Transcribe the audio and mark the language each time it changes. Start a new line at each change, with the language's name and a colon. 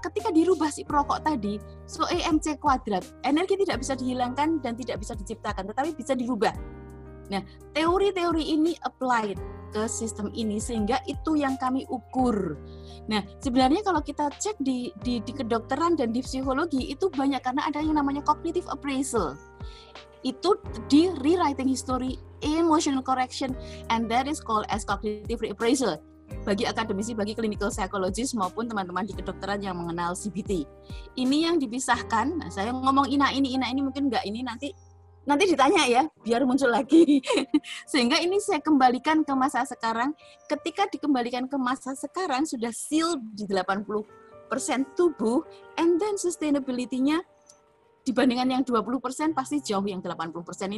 Indonesian: Ketika dirubah si perokok tadi, so EMC kuadrat, energi tidak bisa dihilangkan dan tidak bisa diciptakan, tetapi bisa dirubah. Nah, teori-teori ini applied ke sistem ini sehingga itu yang kami ukur. Nah, sebenarnya kalau kita cek di kedokteran dan di psikologi itu banyak, karena ada yang namanya cognitive appraisal. Itu di
English: rewriting history, emotional correction, and that is called as cognitive reappraisal.
Indonesian: Bagi akademisi, bagi clinical psychologist, maupun teman-teman di kedokteran yang mengenal CBT. Ini yang dipisahkan, nah, saya ngomong ina ini mungkin nggak ini, nanti ditanya ya, biar muncul lagi. Sehingga ini saya kembalikan ke masa sekarang. Ketika dikembalikan ke masa sekarang, sudah sealed di 80% tubuh,
English: and then
Indonesian: sustainability-nya, dibandingkan yang 20% pasti jauh yang 80%.